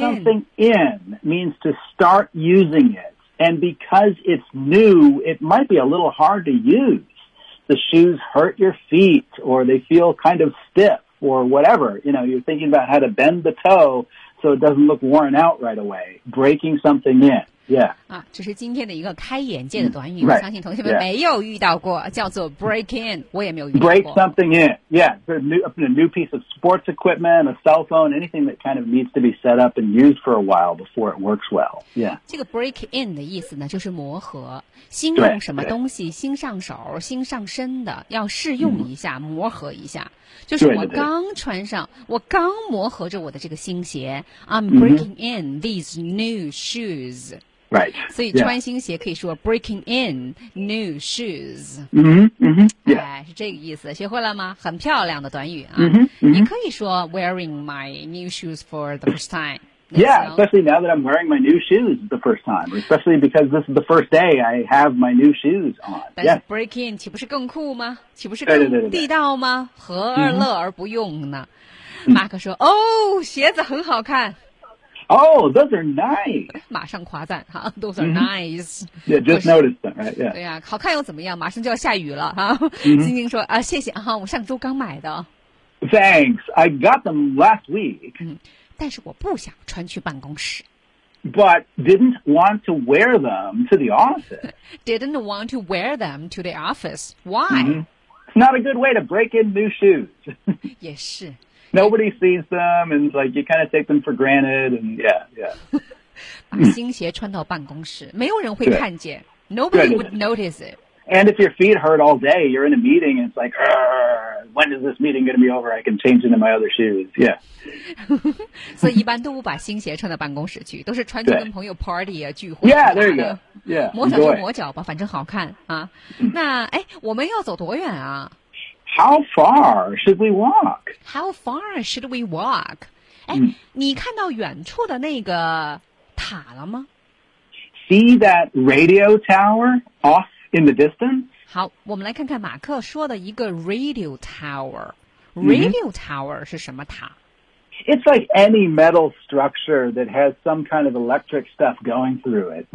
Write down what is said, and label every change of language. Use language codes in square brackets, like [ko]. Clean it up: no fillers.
[en] something in means to start using it And because it's new it might be a little hard to useThe shoes hurt your feet, or they feel kind of stiff, or whatever. You know, you're thinking about how to bend the toe so it doesn't look worn out right away. Breaking something in, yeah. [zh] 啊，这是今天的一个开眼界的短语。 [en] Right. [zh] 我相信同学们没有遇到过， [en] yeah. [zh] 叫做 [en] break in。 [zh] 我也没有遇到过。 [en] Break something in, yeah. A new piece of sports equipment, a cell phone, anything that kind of needs to be set up and used for a while before it works well, yeah. [zh] 这个 [en] break in [zh] 的意思呢，就是磨合，新用什么东西，新上手，新上身的，要试用一下，磨合一下。就是我刚穿上对对对我刚磨合着我的这个新鞋 [en] I'm breaking in these new shoes Right [zh] 所以穿新鞋可以说 [en] breaking in new shoes [zh] 嗯哼、是这个意思学会了吗很漂亮的短语啊、 [en] mm-hmm. [zh] 你可以说 [en] wearing my new shoes for the first time Yeah, especially now that I'm wearing my new shoes the first time, especially because this is the first day I have my new shoes on. But、 yes. break in, [zh] 岂不是更酷吗？岂不是更地道吗？何而乐而不用呢？马克说：“哦，鞋子很好看。” [en] Oh, those are nice. [zh] 马上夸赞哈 ， [en] those are nice. Yeah, just noticed them, right? Yeah. [zh] 对呀，好看又怎么样？马上就要下雨了哈。晶晶说：“啊，谢谢啊，我上周刚买的。” [en] Thanks, I got them last week. [zh] 但是我不想穿去办公室。 [en] But didn't want to wear them to the office. Didn't want to wear them to the office. Why? It's not a good way to break in new shoes. [zh] 也是。 [en] Nobody sees them, and it's like you kind of take them for granted, and yeah. [zh] 把新鞋穿到办公室，没有人会看见。 [en] Nobody would notice it. And if your feet hurt all day, you're in a meeting and it's like, when is this meeting going to be over? I can change into my other shoes. Yeah. [zh] 所以一般都不把新鞋穿到办公室去，都是穿去跟朋友 party 啊聚会。 [en] Yeah, there you go. Yeah. [zh] 磨脚就磨脚吧，反正好看啊。那哎，我们要走多远啊？ [en] How far should we walk? How far should we walk? [zh] 哎，你看到远处的那个塔了吗？ [en] See that radio tower off in the distance? [zh] 好，我们来看看马克说的一个 radio tower. Radio tower 是什么塔？ [en] It's like any metal structure that has some kind of electric stuff going through it.